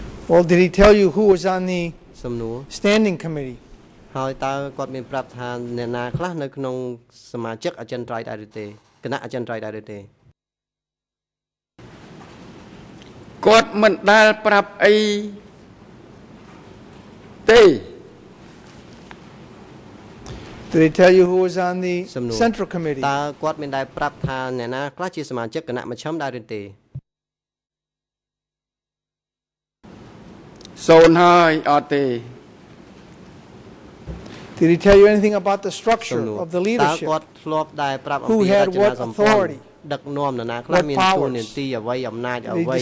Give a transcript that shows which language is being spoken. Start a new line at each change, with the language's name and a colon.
English: Well, did he tell you who was on the standing committee?
Khmer: ហើយតើគាត់មានប្រាប់ថាអ្នកណាខ្លះនៅក្នុងសមាជិកអចិន្ត្រៃយ៍ដែរឬទេ? គាត់មិនដែលប្រាប់អីទេ.
English: Did he tell you who was on the central committee?
Khmer: តើគាត់មានដែលប្រាប់ថាអ្នកណាខ្លះជាសមាជិកគណៈមជ្ឈិមដែរឬទេ? សូនហើយអត់ទេ.
English: Did he tell you anything about the structure of the leadership?
Khmer: តើគាត់ធ្លាប់ដែរប្រាប់អំពី
English: Who had what authority?
Khmer: ដឹកនាំអ្នកណាខ្លះមានតួនាទីអ្វីអំណាចអ្វី?